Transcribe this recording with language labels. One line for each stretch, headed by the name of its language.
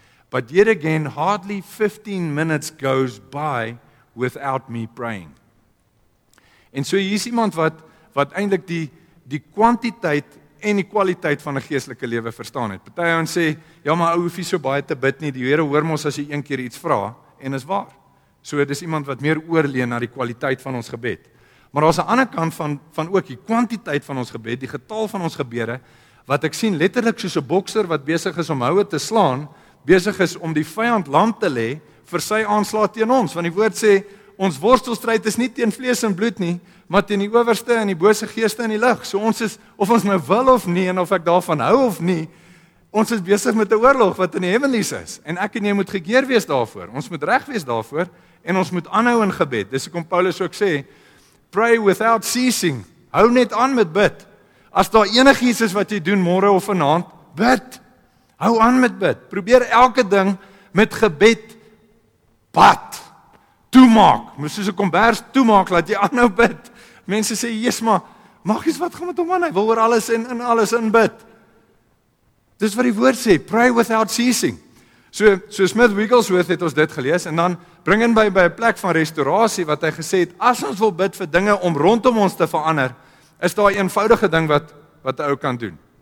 English: But yet again, hardly 15 minutes goes by without me praying.
Afrikaans: En so hier is iemand wat eintlik die kwantiteit en die kwaliteit van 'n geestelike lewe verstaan het. Party ouens sê, ja maar ou, hoef jy so baie te bid nie, die Here hoor mos as jy een keer iets vra, en is waar. So dis iemand wat meer oorleen na die kwaliteit van ons gebed. Maar daar's 'n ander kant van ook die kwantiteit van ons gebed, die getal van ons gebede, wat ek sien letterlik soos 'n bokser wat besig is om houe te slaan, besig is om die vyand lam te lê vir sy aanslag teen ons. Want die woord sê, ons worstelstryd is nie teen vlees en bloed nie, maar teen die owerste en die bose geeste in die lig. So ons is, of ons nou wil of nie, en of ek daarvan hou of nie, ons is besig met 'n oorlog wat in die hemelies is. En ek en jy moet gekeer wees daarvoor. Ons moet reg wees daarvoor, en ons moet aanhou in gebed. Dis hoekom Paulus ook sê,
English: pray without ceasing.
Afrikaans: Hou net aan met bid. As daar enigiets is wat jy doen môre of vanaand, bid. Hou aan met bid. Probeer elke ding met gebed bad. Toemaak. Moes soos 'n kombers toemaak, laat jy aanhou bid. Mense sê, jees maar, magies, wat gaan met hom aan? Hy wil oor alles en in alles in bid. Dis wat die woord sê,
English: pray without ceasing.
Afrikaans: So Smith Wigglesworth het ons dit gelees, en dan bring in by 'n plek van restaurasie, wat hy gesê het, as ons wil bid vir dinge om rondom ons te verander, is daar 'n eenvoudige ding wat die ou kan doen.